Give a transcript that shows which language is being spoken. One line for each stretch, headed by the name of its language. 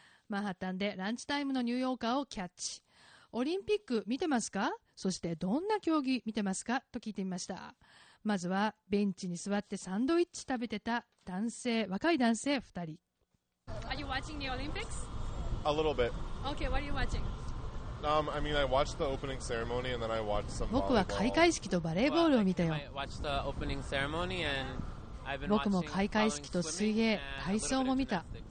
Japanese: マンハッタンでランチタイムのニューヨーカーをキャッチ。オリンピック見てますか？そしてどんな競技見てますか？と聞いてみました。まずはベンチに座ってサンドイッチ食べてた男性、若い男性2人。
English: Are you watching the Olympics? A little bit. Okay, what are you watching? I mean, I watched the opening ceremony and then I watched some volleyball.
Japanese: 僕は開会式とバレーボールを見たよ。
English: I watched the opening ceremony and I've been watching.
Japanese: 僕も開会式と水泳、体操も見た。